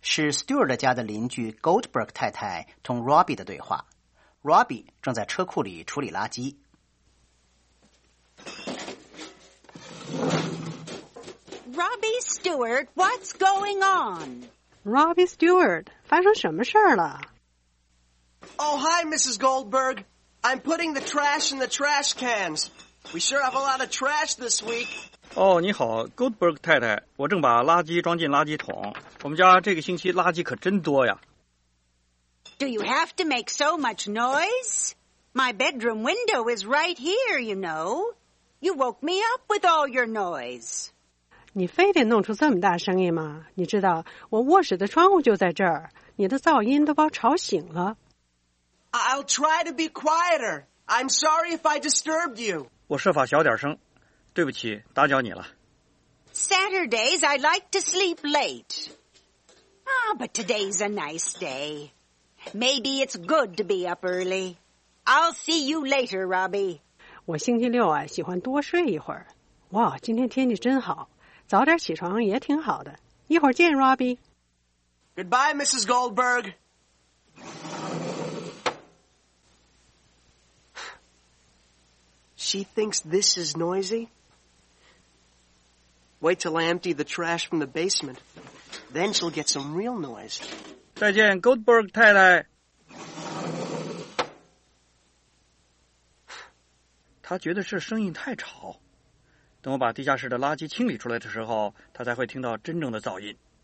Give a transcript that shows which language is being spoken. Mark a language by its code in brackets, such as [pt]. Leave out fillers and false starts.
[zh] Stuart 家的邻居 Goldberg 太太同 Robbie 的对话。 Robbie 正在车库里处理垃圾。 [en] Robbie Stewart, what's going on? [zh] Robbie Stewart, 发生什么事了？ [en] Oh, hi, Mrs. Goldberg. I'm putting the trash in the trash cans. We sure have a lot of trash this week. [zh] 哦，你好 ，Goldberg 太太，我正把垃圾装进垃圾桶。我们家这个星期垃圾可真多呀。 [en] Do you have to make so much noise? My bedroom window is right here, you know. You woke me up with all your noise. [zh] 你非得弄出这么大声音吗？你知道我卧室的窗户就在这儿，你的噪音都把我吵醒了。 [en] I'll try to be quieter. I'm sorry if I disturbed you. [zh] 我设法小点声。对不起，打搅你了。 [en] Saturdays, I like to sleep late. Ah, but today's a nice day. Maybe it's good to be up early. I'll see you later, Robbie. [zh] 我星期六啊，喜欢多睡一会儿。哇，今天天气真好，早点起床也挺好的。一会儿见 ，Robbie. [en] Goodbye, Mrs. Goldberg. She thinks this is noisy? Wait till I empty the trash from the basement. Then she'll get some real noise. [zh] 再见 ,Goldberg 太太。她觉得这声音太吵。等我把地下室的垃圾清理出来的时候，她才会听到真正的噪音。